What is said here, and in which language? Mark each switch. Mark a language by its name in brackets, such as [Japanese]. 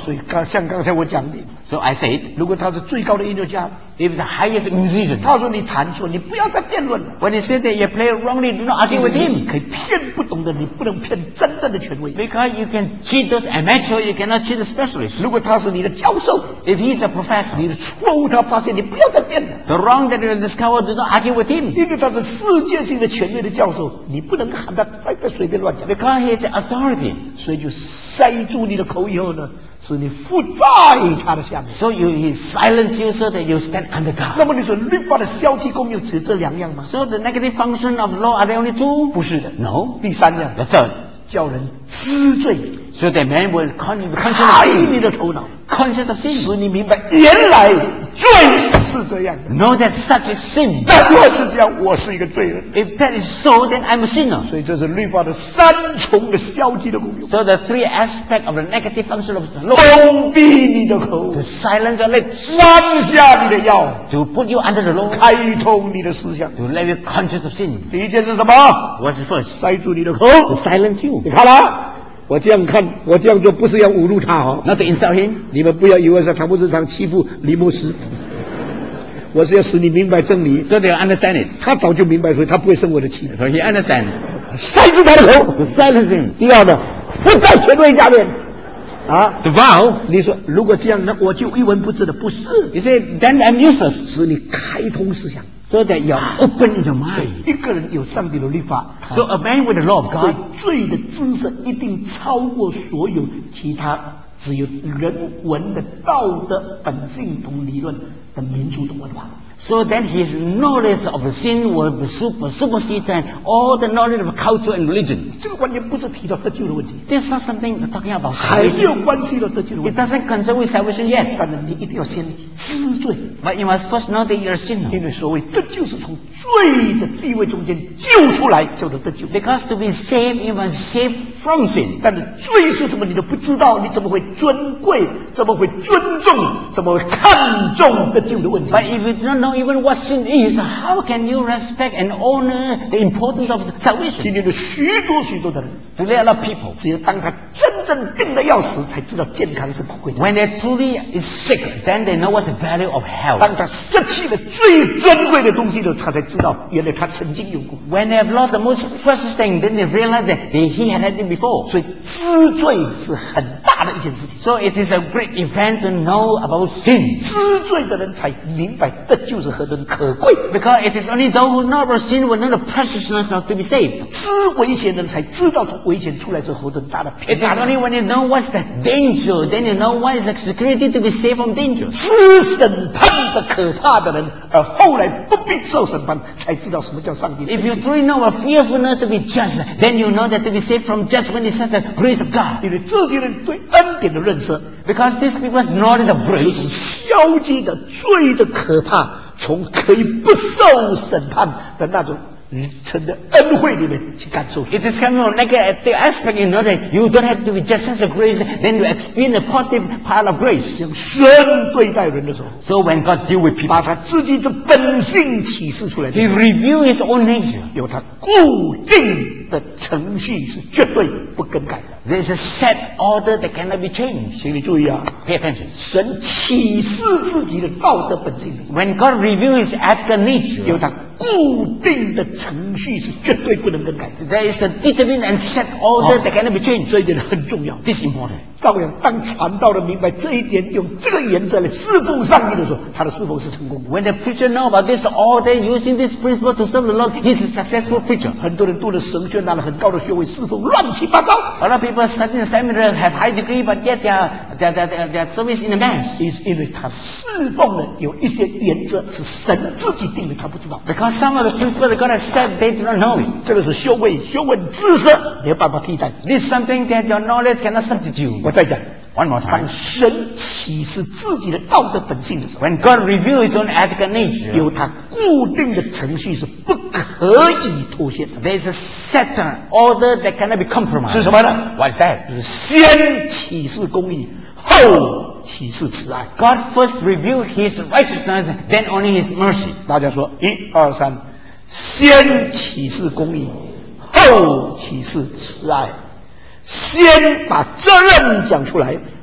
[Chinese] 所以像刚才我讲的。 [English] So I said, [Chinese] 如果他是最高的音乐家。 [English] If the highest musician. [Chinese] 他说你弹错，你不要再辩论了。 [English] When he said that you play wrongly, do not argue with him. [Chinese] 可以骗不懂的，你不能骗真正的权威。 [English] Because you can cheat those amateur, you cannot cheat the specialist. [Chinese] 如果他是你的教授。 [English] If he is a professor. [Chinese] 你的错误他发现，你不要再辩了。 [English] The wrong that you discover, do not argue with him. [Chinese] 因为他是世界性的权威的教授，你不能喊他再随便乱讲。 [English] Because he is an authority. [Chinese] 所以就塞住你的口以后呢，使你附在他的下面。 [English] So you he silence you so that you stand under God. [Chinese] 那么你说律法的消极功用只有这两样吗 [English] ？So the negative function of law are there only two? [Chinese] 不是的 [English] ，No. [Chinese] 第三样 [English] ，The third. [Chinese] 叫人知罪 [English] ，So that man will conscience [Chinese] 开你的头脑 [English] ，conscience of sin. [Chinese] 使你明白原来罪是这样的。 [English] Know that such is sin. [Chinese] 但若是这样，我是一个罪人。 [English] If that is so, then I'm a sinner. [Chinese] 所以这是律法的三重的消极的功用。 [English] So the three aspects of the negative function of the law. [Chinese] 封闭你的口。 [English] To silence your lips. [Chinese] 关下你的腰。 [English] To put you under the law. [Chinese] 开通你的思想。 [English] To let you conscious of sin. [Chinese] 第一件是什么 [English] ？What's first? [Chinese] 塞住你的口。 [English] To silence you. [Chinese] 你看啦。我这样看，我这样做不是要侮辱他哦。 [English] Not to insult him. [Chinese] 你们不要以为是唐牧师欺负李牧师，我是要使你明白真理。 [English] So they understand it. [Chinese] 他早就明白，所以他不会生我的气。 [English] So he understands. [Chinese] 塞住他的口。 [English] Silence him. [Chinese] 第二呢，不在权威下面。啊 [English] ，the vow. [Chinese] 你说如果这样，那我就一文不值的，不是。 [English] You say then I'm useless. [Chinese] 使你开通思想。 [English] So that you're open in your mind. [Chinese] 一个人有上帝的律法。 [English] So a man with the law of God. [Chinese] 对罪的知识一定超过所有其他只有人文的道德本性同理论的民族的文化。 [English] So then his knowledge of sin will be supersede all the knowledge of culture and religion. [Chinese] 这个观点不是提到得救的问题。 [English] This is not something we're talking about. [Chinese] 还是有关系的得救的问题。 [English] It doesn't concern with salvation yet. [Chinese] 但是你一定要先知罪。 [English] But you must first know that you're a sinner. [Chinese] 因为所谓得救是从罪的地位中间救出来叫做得救。 [English] Because to be saved, you must save from sin. [Chinese] 但是罪是什么你都不知道，你怎么会尊贵，怎么会尊重，怎么会看重得救的问题？ [English] But if you don't know even what sin is, how can you respect and honor the importance of salvation? [Chinese] 今天的许多许多的人 [English] there are people, [Chinese] 只有当他真正病得要死才知道健康是宝贵的 [English] when they truly is sick, then they know what's the value of health [Chinese] 当他失去了最珍贵的东西的他才知道原来他曾经有过 [English] when they have lost the most precious thing, then they realize that he had had it before [Chinese] 所以知罪是很大的一件事情 [English] so it is a great event to know about sin [Chinese] 知罪的人才明白得救就是何等可贵 [English] ，because it is only those who never sin will know the preciousness of to be saved. [Chinese] 知危险人才知道从危险出来是何等大的平安。 [English] It is only when you know what's the danger, then you know what is the security to be saved from danger. [Chinese] 知审判的可怕的人，而后来不必受审判，才知道什么叫上帝。 [English] If you truly know a fearfulness to be judged, then you know that to be saved from judgment is the grace of God. [Chinese] 因为这些人对恩典的认识。 [English] Because this was not the grace. [Chinese] 是消极的罪的可怕从可以不受审判的那种神的恩惠里面去感受。 [English] It is coming from negative aspect, you know that you don't have to be just sense of grace, then you experience the positive part of grace. [Chinese] 像神对待人的时候。 [English] So when God deal with people, [Chinese] 把他自己的本性启示出来。 [English] He reveal his own nature. [Chinese] 有他固定的程序是绝对不更改的。 [English] There's a set order that cannot be changed. [Chinese] 请你注意啊 [English] ，Pay attention. [Chinese] 神启示自己的道德本性。 [English] When God reveals His ethical nature, [Chinese] 有它固定的程序是绝对不能更改的。 [English] There is a determined and set order that cannot be changed. [Chinese] 这一点很重要。 [English] This is important. [Chinese] 照样，当传道的明白这一点，用这个原则来侍奉上帝的时候，他的侍奉是成功的。 [English] When the preacher knows about this order, using this principle to serve the Lord, he's a successful preacher. [Chinese] 很多人读了神学，拿了很高的学位，侍奉乱七八糟。好了。 [English] People studying the seminary have high degree, but yet their service in the mass is in which [Chinese] 他侍奉的有一些原则是神自己定的，他不知道。 [English] Because some of the principles God has set, they do not know it. [Chinese] 这个是修为，修为知识没有办法替代。 [English] This is something that your knowledge cannot substitute. [Chinese] 我再讲。 [English] One more time. [Chinese] 当神启示自己的道德本性的时候 [English] ，When God reveals His own ethical nature， [Chinese] 有他固定的程序是不可以脱线的。 [English] There's a set order that cannot be compromised。 [Chinese] 是什么呢 [English] ？What is that？ [Chinese] 是先启示公义，后启示慈爱。 [English] God first revealed His righteousness, then only His mercy。 [Chinese] 大家说，一二三，先启示公义，后启示慈爱。先把责任讲出来